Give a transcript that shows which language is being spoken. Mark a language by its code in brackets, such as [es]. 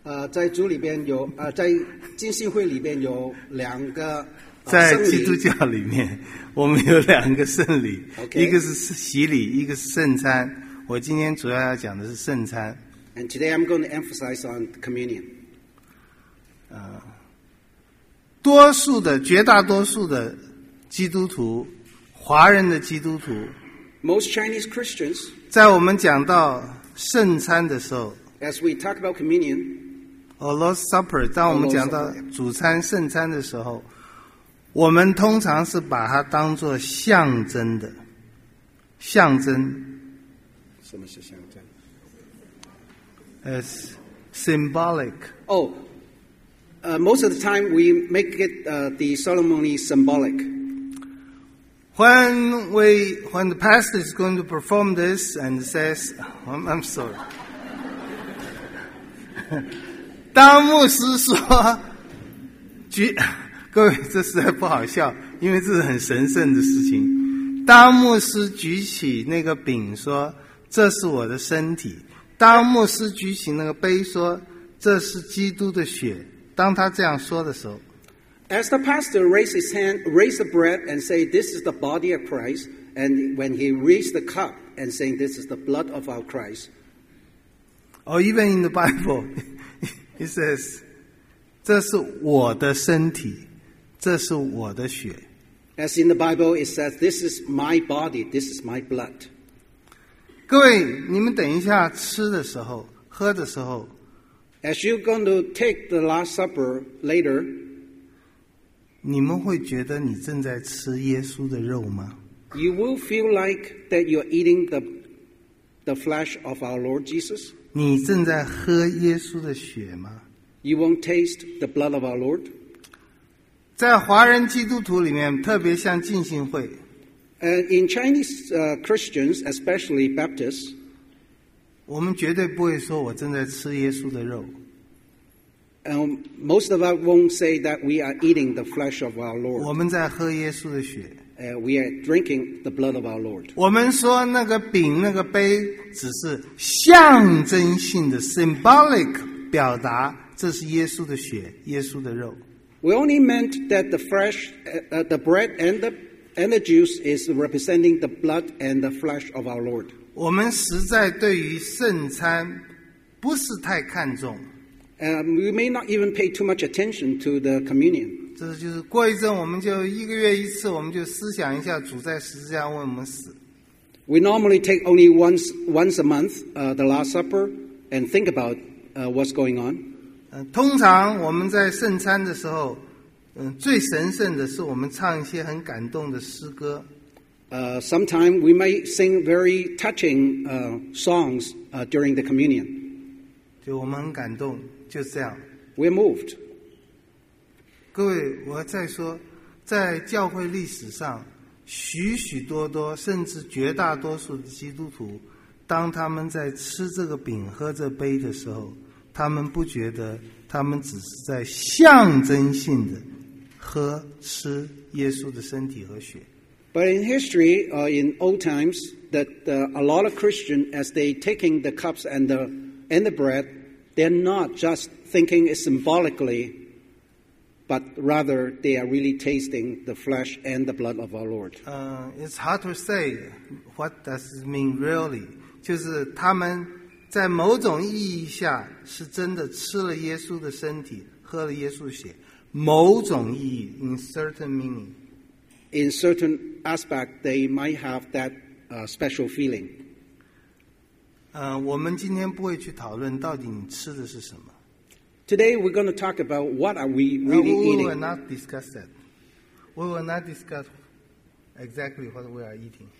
[zh] 在主里边有在浸信会里边有两个。在基督教里面我们有两个圣礼、 [en] okay. [zh] 一个是洗礼一个是圣餐我今天主要要讲的是圣餐 [en] And today I'm going to emphasize on communion [zh] 多数的绝大多数的基督徒华人的基督徒 [en] Most Chinese Christians [zh] 在我们讲到圣餐的时候 [en] As we talk about communion or Lord's Supper [zh] 当我们讲到主餐圣餐的时候我们通常是把它当作象征的，象征。什么是象征 [en] ？It's symbolic. Oh, most of the time we make it the ceremony symbolic. When the pastor is going to perform this and says, I'm sorry. [zh] 当牧师说，各位，这实在不好笑，因为这是很神圣的事情。当牧师举起那个饼说：“这是我的身体。” 当牧师举起那个杯说：“这是基督的血。” 当他这样说的时候 [en] ，As the pastor raised his hand, raised the bread and say, "This is the body of Christ." And when he raised the cup and saying, "This is the blood of our Christ." Or even in the Bible, he says, [zh] 这是我的身体。这是我的血。 [en] As in the Bible, it says, "This is my body. This is my blood." [zh] 各位，你们等一下吃的时候、喝的时候 [en] ，As you're going to take the Last Supper later, [zh] 你们会觉得你正在吃耶稣的肉吗 [en] ？You will feel like that you're eating the flesh of our Lord Jesus. [zh] 你正在喝耶稣的血吗 [en] ？You won't taste the blood of our Lord. [zh] 在华人基督徒里面，特别像浸信会。 [en] In Chinese Christians, especially Baptists, [zh] 我们绝对不会说我正在吃耶稣的肉。 [en] Most of us won't say that we are eating the flesh of our Lord. [zh] 我们在喝耶稣的血。 [en] We are drinking the blood of our Lord. [zh] 我们说那个饼、那个杯只是象征性的 symbolic 表达，这是耶稣的血、耶稣的肉。 [en] We only meant that the flesh, the bread and the juice is representing the blood and the flesh of our Lord. [zh] 我们实在对于圣餐不是太看重。 [en] We may not even pay too much attention to the communion. [zh] 这就是过一阵我们就一个月一次我们就思想一下主在十字架为我们死。 [en] We normally take only once a month, the Last Supper, and think about what's going on. [zh] 通常我们在圣餐的时候，最神圣的是我们唱一些很感动的诗歌。 [en] Sometimes we might sing very touching songs during the communion. [zh] 就我们很感动，就这样。 [en] We're moved. [zh] 各位，我再说，在教会历史上，许许多多，甚至绝大多数的基督徒，当他们在吃这个饼、喝这杯的时候。他们不觉得他们只是在象征性的喝吃耶稣的身体和血。 [en] But in history, in old times, that a lot of Christians, as they taking the cups and the bread, they're not just thinking it symbolically, but rather they are really tasting the flesh and the blood of our Lord. It's hard to say what does it mean really. [zh] 就是他们在某种意义下是真的吃了耶稣的身体，喝了耶稣的血。某种意义, [en] in certain meaning. In certain aspect, they might have that special feeling. [zh] 我们今天不会去讨论到底你吃的是什么。 [en] Today, we're going to talk about what are we really eating. We will not discuss that. We will not discuss exactly what we are eating.